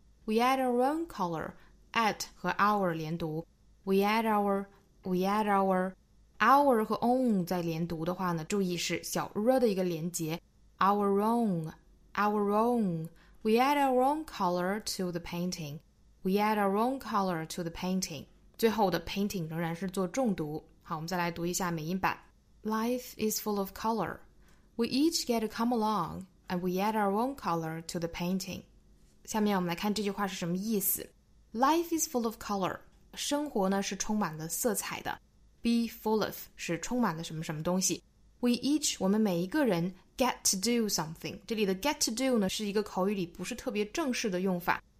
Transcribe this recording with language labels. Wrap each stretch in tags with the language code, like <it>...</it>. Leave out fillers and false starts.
<en>we add our own color at</en> <zh>和 our 连读</zh> <en>we add our our</en> <zh>和 own 在连读的话呢，注意是小 r 的一个连结</zh> <en>our own we add our own color to the paintingWe add our own color to the painting.</en> <zh>最后的 painting 仍然是做重读。好，我们再来读一下美音版。</zh> <en>Life is full of color. We each get to come along, and we add our own color to the painting.</en> <zh>下面我们来看这句话是什么意思。</zh> <en>Life is full of color.</en> <zh>生活呢是充满了色彩的。</zh> <en>Be full of</en> <zh>是充满了什么什么东西。</zh> <en>We each,</en> <zh>我们每一个人</zh> <en>get to do something.</en> <zh>这里的 get to do 呢是一个口语里不是特别正式的用法。</zh>